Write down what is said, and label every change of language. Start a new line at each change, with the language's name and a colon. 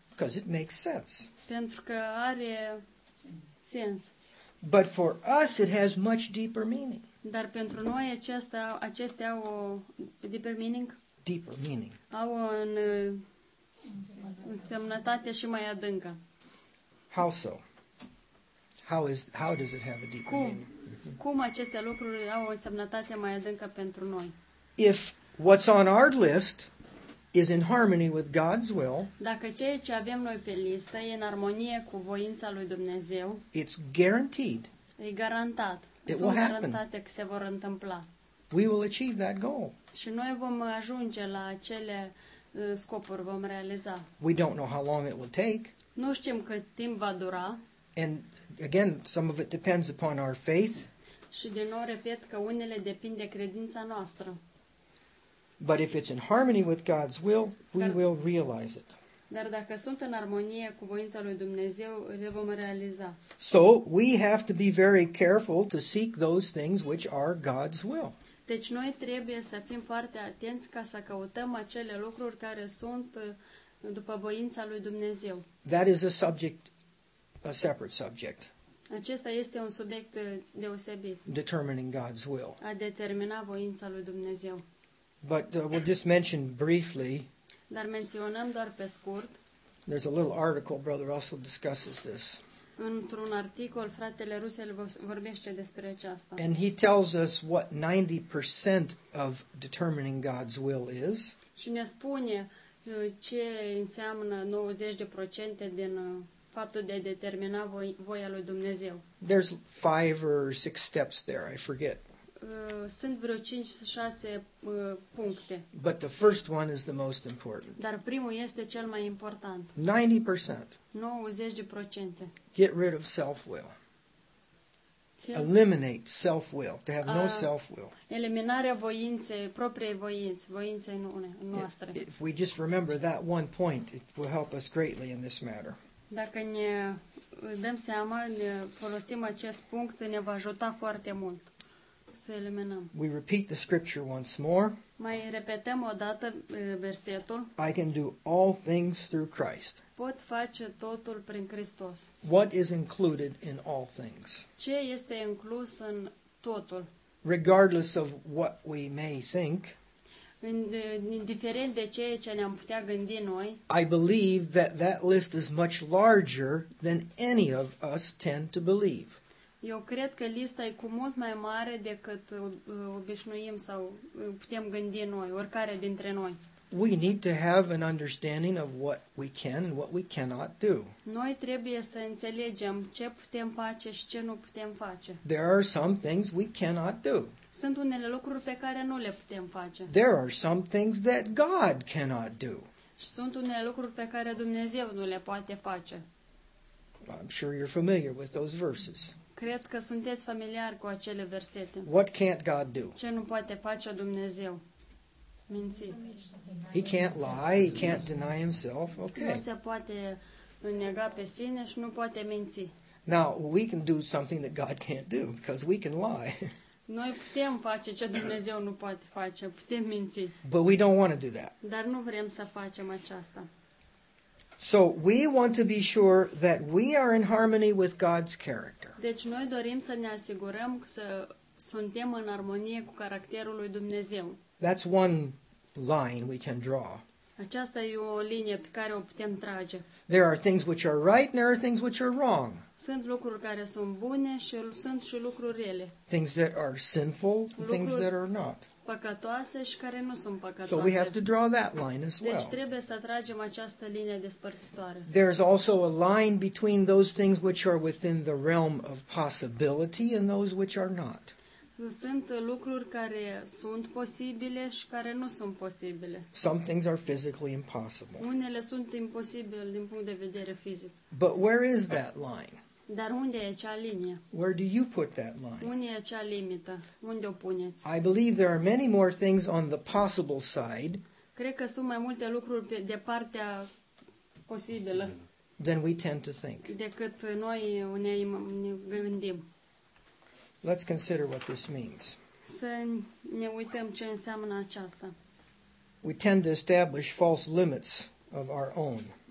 English: Because it makes sense.
Romanian: Pentru că are sens.
English: But for us it has much deeper meaning.
Romanian: Dar pentru noi acestea au
English: deeper meaning. Deeper meaning.
Romanian: Au o însemnătate și mai adâncă.
English: How so? How does it have a deeper meaning?
Romanian: Cum aceste lucruri au o însemnătate mai adâncă pentru noi?
English: If what's on our list is in harmony with God's will.
Romanian: Dacă ceea ce avem noi pe listă e în armonie cu voința lui Dumnezeu.
English: It's guaranteed.
Romanian: E garantat.
English: It will happen.
Romanian: Că se vor întâmpla.
English: We will achieve that goal.
Romanian: Și noi vom ajunge la acele scopuri, vom realiza.
English: We don't know how long it will take.
Romanian: Nu știm cât timp va dura.
English: And again, some of it depends upon our faith.
Romanian: Și din nou repet că unele depinde de credința noastră.
English: But if it's in harmony with God's will, we will realize it.
Romanian: Dar dacă sunt în armonie cu voința lui Dumnezeu, le vom realiza.
English: So we have to be very careful to seek those things which are God's will.
Romanian: Deci noi trebuie să fim foarte atenți ca să căutăm acele lucruri care sunt după voința lui Dumnezeu.
English: That is a subject, a separate subject.
Romanian: Acesta este un subiect deosebit.
English: Determining God's will.
Romanian: A determina voința lui Dumnezeu.
English: But we'll just mention briefly.
Romanian: Dar menționăm doar pe scurt.
English: There's a little article Brother Russell discusses this.
Romanian: Într-un articol fratele Russell vorbește despre aceasta.
English: And he tells us what 90% of determining God's will is.
Romanian: Și ne spune ce înseamnă 90% din faptul de a determina voia lui Dumnezeu.
English: There's 5 or 6 steps there, I forget.
Romanian: Sunt vreo 5-6 puncte.
English: But the first one is the most important.
Romanian: Dar primul este cel mai important.
English: 90%.
Romanian: 90%.
English: Get rid of self-will. Eliminate self-will. To have no self-will.
Romanian: Eliminarea voinței, propriei voințe, voinței noastre.
English: If we just remember that one point, it will help us greatly in this matter.
Romanian: Dacă ne dăm seama, ne folosim acest punct, ne va ajuta foarte mult.
English: We repeat the scripture once more.
Romanian: Mai repetăm o dată versetul.
English: I can do all things through Christ.
Romanian: Pot face totul prin Hristos.
English: What is included in all things?
Romanian: Ce este inclus în totul?
English: Regardless of what we may think.
Romanian: Indiferent de ceea ce ne-am putea gândi noi.
English: I believe that that list is much larger than any of us tend to believe.
Romanian: Eu cred că lista e cu mult mai mare decât obișnuim sau putem gândi noi, oricare dintre noi.
English: We need to have an understanding of what we can and what we cannot do.
Romanian: Noi trebuie să înțelegem ce putem face și ce nu putem face.
English: There are some things we cannot do.
Romanian: Sunt unele lucruri pe care nu le putem face.
English: There are some things that God cannot do.
Romanian: Și sunt unele lucruri pe care Dumnezeu nu le poate face.
English: I'm sure you're familiar with those verses.
Romanian: Cred că sunteți familiar cu acele versete.
English: What can't God do?
Romanian: Ce nu poate face Dumnezeu? Minți.
English: He can't lie, he can't deny himself. Okay.
Romanian: Nu se poate nega pe sine și nu poate minți.
English: Now, we can do something that God can't do because we can lie.
Romanian: Noi putem face ce Dumnezeu nu poate face, putem minți.
English: But we don't want to do that.
Romanian: Dar nu vrem să facem aceasta.
English: So we want to be sure that we are in harmony with God's character.
Romanian: Deci noi dorim să ne asigurăm că suntem în armonie cu caracterul lui Dumnezeu.
English: That's one line we can draw.
Romanian: Aceasta e o linie pe care o putem trage.
English: There are things which are right and there are things which are wrong.
Romanian: Sunt lucruri care sunt bune și sunt și lucruri rele.
English: Things that are sinful, things that are not.
Romanian: Păcătoase și care nu sunt păcătoase.
English: So we have to draw that line as well.
Romanian: Deci trebuie să tragem această linie despărțitoare.
English: There's also a line between those things which are within the realm of possibility and those which are not.
Romanian: Sunt lucruri care sunt posibile și care nu sunt posibile.
English: Some things are physically impossible.
Romanian: Unele sunt imposibile din punct de vedere fizic.
English: But where is that line?
Romanian: Dar unde e acea linie?
English: Where do you put that line?
Romanian: Unde e acea limită? Unde o puneți?
English: I believe there are many more things on the possible side.
Romanian: Cred că sunt mai multe lucruri de partea posibilă.
English: than we tend to think.
Romanian: Decât noi uneori ne gândim.
English: Let's consider what this means.
Romanian: Să ne uităm ce înseamnă aceasta.
English: We tend to establish false limits of our own.